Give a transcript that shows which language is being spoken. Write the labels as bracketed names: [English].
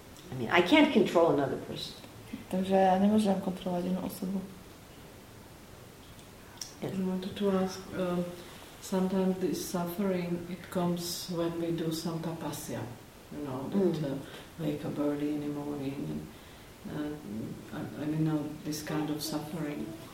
[English] I mean, I can't control another person. [Slovak] Takže ja nemôžem kontrolovať inú osobu. [English] Yeah. I wanted to ask, sometimes this suffering, it comes when we do some tapasya, you know, that wake up early in the morning, and, I mean, this kind of suffering.